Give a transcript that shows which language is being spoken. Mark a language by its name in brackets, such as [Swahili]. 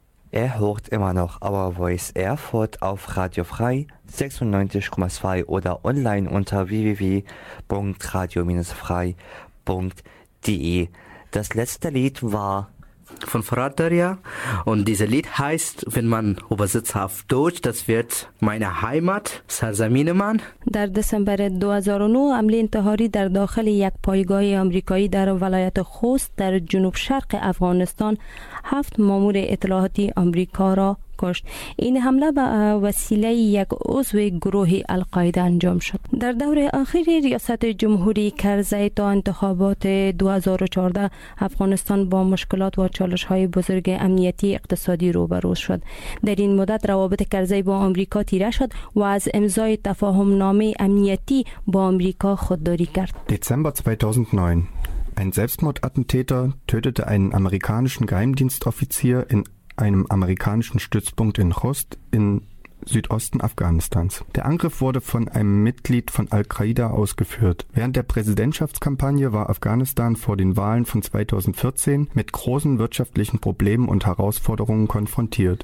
[German] Er hört immer noch Our Voice Erfurt auf Radio Frei 96,2 oder online unter www.radio-frei.de. Das letzte Lied war von Farad Darya und dieses Lied heißt, wenn man übersetzt auf Deutsch, das wird meine Heimat, Sarzamineman. [Persian] در دسامبر 2009 عمل انتحاری در داخل یک پایگاه آمریکایی در ولایت خوست در جنوب شرق افغانستان هفت مامور اطلاعاتی آمریکا را کشت. این حمله به وسیله یک عضو گروه القاعده انجام شد. در دور آخر ریاست جمهوری کرزی تا انتخابات 2014 افغانستان با مشکلات و چالش‌های بزرگ امنیتی اقتصادی روبرو شد. در این مدت روابط کرزی با آمریکا تیره شد و از امضای تفاهم نامه امنیتی با آمریکا خودداری کرد. دسامبر 2009 [German] Ein Selbstmordattentäter tötete einen amerikanischen Geheimdienstoffizier in einem amerikanischen Stützpunkt in Khost im Südosten Afghanistans. Der Angriff wurde von einem Mitglied von Al-Qaida ausgeführt. Während der Präsidentschaftskampagne war Afghanistan vor den Wahlen von 2014 mit großen wirtschaftlichen Problemen und Herausforderungen konfrontiert.